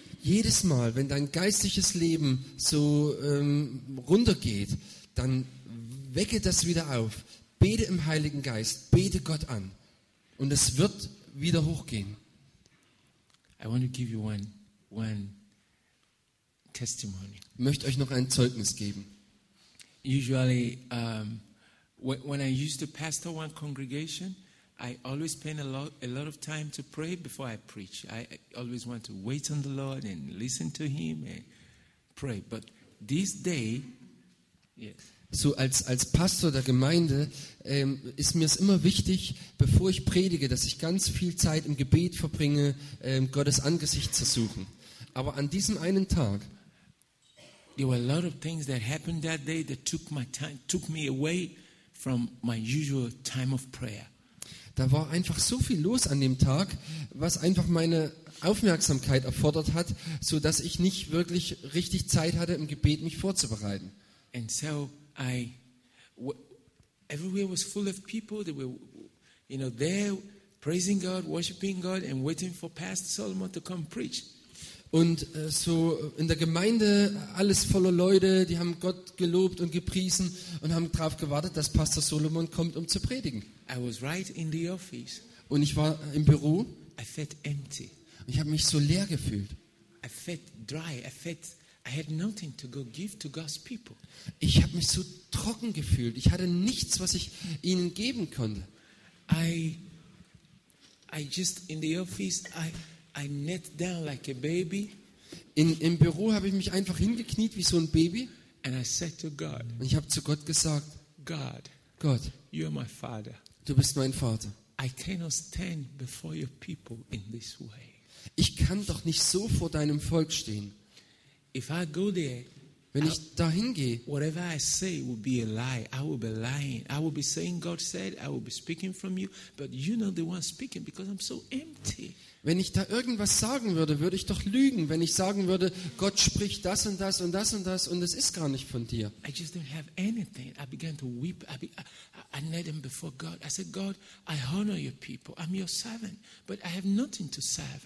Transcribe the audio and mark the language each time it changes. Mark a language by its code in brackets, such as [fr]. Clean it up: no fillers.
[de] Jedes Mal, wenn dein geistliches Leben so runtergeht, dann wecke das wieder auf. Bete im Heiligen Geist, bete Gott an und es wird wieder hochgehen. [en] I want to give you one testimony. [de] Ich möchte euch noch ein Zeugnis geben. [en] Usually when I used to pastor one congregation, I always spend a lot of time to pray before I preach. I always want to wait on the Lord and listen to him and pray. But this day, yes. [de] So als Pastor der Gemeinde ist mir es immer wichtig, bevor ich predige, dass ich ganz viel Zeit im Gebet verbringe, Gottes Angesicht zu suchen. Aber an diesem einen Tag, [en] there were a lot of things that happened that day that took my time, took me away from my usual time of prayer. [de] Da war einfach so viel los an dem Tag, was einfach meine Aufmerksamkeit erfordert hat, so dass ich nicht wirklich richtig Zeit hatte, im Gebet mich vorzubereiten. [en] And so I, everywhere was full of people. They were, you know, there praising God, worshiping God, and waiting for Pastor Solomon to come preach. [de] Und so in der Gemeinde alles voller Leute, die haben Gott gelobt und gepriesen und haben darauf gewartet, dass Pastor Solomon kommt, um zu predigen. [en] I was right in the office. [de] Und ich war im Büro. [en] I felt empty. [de] Und ich habe mich so leer gefühlt. [en] I felt dry. I felt I had nothing to go give to God's people. [de] Ich habe mich so trocken gefühlt. Ich hatte nichts, was ich ihnen geben konnte. [en] I just in the office I knelt down like a baby. [de] Im Büro habe ich mich einfach hingekniet wie so ein Baby. [en] And I said to God. [de] Und ich habe zu Gott gesagt. [en] God. [de] Gott. [en] You are my father. [de] Du bist mein Vater. [en] I cannot stand before your people in this way. [de] Ich kann doch nicht so vor deinem Volk stehen. [en] If I go there. [de] Wenn ich dahin gehe. [en] Whatever I say will be a lie. I will be lying. I will be saying God said. I will be speaking from you. But you're not the one speaking because I'm so empty. [de] Wenn ich da irgendwas sagen würde, würde ich doch lügen, wenn ich sagen würde, Gott spricht das und das und das und das und es ist gar nicht von dir. [en] I just don't have anything. I began to weep. I knelt him before God. I said, God, I honor your people. I'm your servant. But I have nothing to serve.